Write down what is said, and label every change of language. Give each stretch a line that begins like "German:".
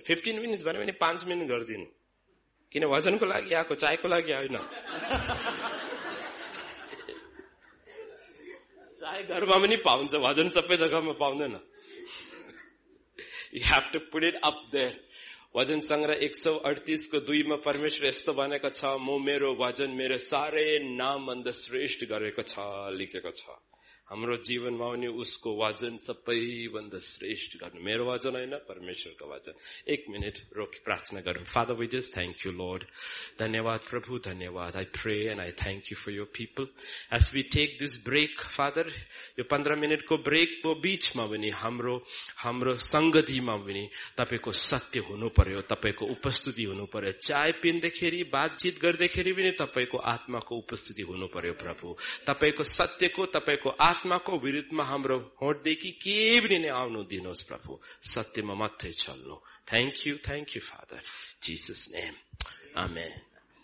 English: 15 minutes, but I mean 5 minutes. Why did you have to go to the water or the tea? Tea is in the house, but you don't have to go to the water. You have to put it up there.
Nepali: वजन संग्रह 138:2 परमेश्वर यस्तो भनेको छ, म मेरो वजन मेरो सारै नाम भन्दा श्रेष्ठ गरेको छ लेखेको छ। हाम्रो जीवनमा पनि उसको वजन सबैभन्दा श्रेष्ठ गर्नु, मेरो वजन होइन परमेश्वरको वजन। एक मिनट रोक प्रार्थना गरौँ।
English: father we just thank you Lord,
Nepali: धन्यवाद प्रभु, धन्यवाद।
English: I pray and I thank you for your people as we take this break father.
Nepali: यो 15 मिनटको ब्रेकको बीचमा पनि हाम्रो संगतिमा पनि तपाईँको सत्य हुनु पर्यो, तपाईँको उपस्थिति हुनु पर्यो, चाय पिँदाखेरि बातचित गर्दाखेरि पनि तपाईँको आत्माको उपस्थिति हुनु पर्यो प्रभु। तपाईँको सत्यको तपाईँको आत्माको विरुद्धमा हाम्रो होटदेखि केही पनि नै आउनु दिनुहोस् प्रभु, सत्यमा मात्रै चल्नु।
English: thank you father,
Nepali: Jesus name, amen.